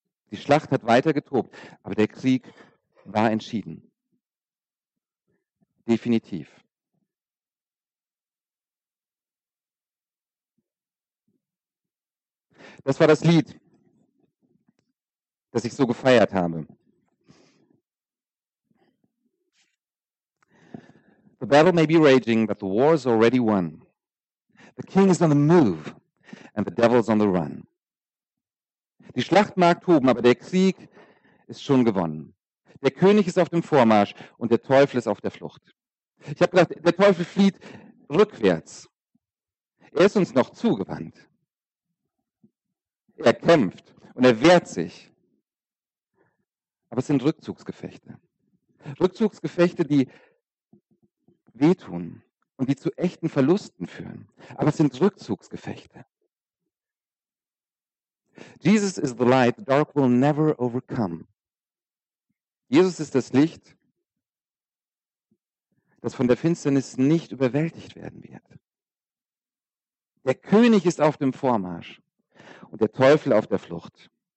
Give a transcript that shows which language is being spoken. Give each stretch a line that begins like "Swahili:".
German: Die Schlacht hat weiter getobt, aber der Krieg war entschieden. Definitiv. Das war das Lied, das ich so gefeiert habe.
English: The battle may be raging, but the war is already won. The king is on the move, and the devil is on the run.
German: Die Schlacht mag toben, aber der Krieg ist schon gewonnen. Der König ist auf dem Vormarsch und der Teufel ist auf der Flucht. Ich habe gedacht, der Teufel flieht rückwärts. Er ist uns noch zugewandt. Er kämpft und er wehrt sich. Aber es sind Rückzugsgefechte. Rückzugsgefechte, die wehtun und die zu echten Verlusten führen. Aber es sind Rückzugsgefechte.
English: Jesus is the light, the dark will never overcome.
German: Jesus ist das Licht, das von der Finsternis nicht überwältigt werden wird. Der König ist auf dem Vormarsch und der Teufel auf der Flucht.